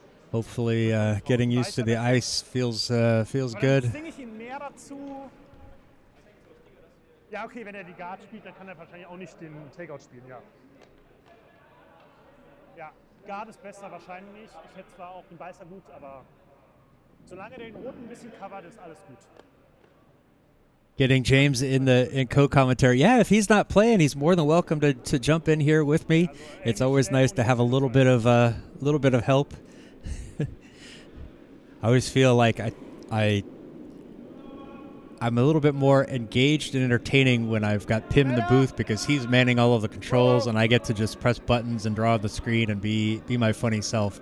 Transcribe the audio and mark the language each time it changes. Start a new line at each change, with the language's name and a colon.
English: Hopefully, getting used to the ice feels good.
German: Yeah, okay, wenn die Guard spielt, dann kann wahrscheinlich auch nicht den Takeout spielen, ja. Ja, Guard ist besser wahrscheinlich. Ich hätte zwar auch den Beißer gut, aber solange den roten ein bisschen covert, ist alles gut.
English: Getting James in co-commentary. Yeah, if he's not playing, he's more than welcome to jump in here with me. It's always nice to have a little bit of help. I always feel like I'm a little bit more engaged and entertaining when I've got Pim in the booth, because he's manning all of the controls and I get to just press buttons and draw the screen and be my funny self.